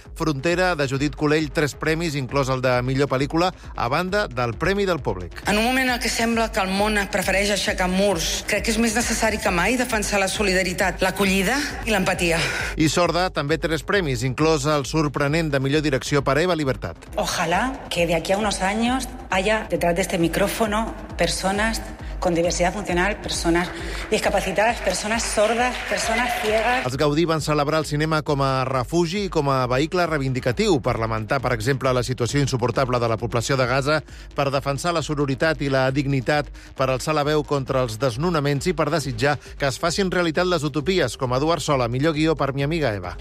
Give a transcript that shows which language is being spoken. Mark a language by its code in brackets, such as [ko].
[ca] Frontera, de Judit Colell, 3 premis, inclòs el de millor pel·lícula, a banda del Premi del Públic. En un moment en què sembla que el món prefereix aixecar murs, crec que és més necessari que mai defensar la solidaritat, l'acollida i l'empatia. I Sorda, també 3 premis, inclòs el sorprenent de millor direcció per Eva Libertad. [es] Ojalá que de aquí a unos años haya detrás de este micrófono personas con diversidad funcional, personas discapacitadas, personas sordas, personas ciegas. [ca] Els Gaudí van celebrar el cinema com a refugi i com a vehicle reivindicatiu per lamentar, per exemple, la situació insuportable de la població de Gaza, per defensar la sororitat i la dignitat, per alçar la veu contra els desnonaments i per desitjar que es facin realitat les utopies, com Eduard Sola, millor guió per mi amiga Eva.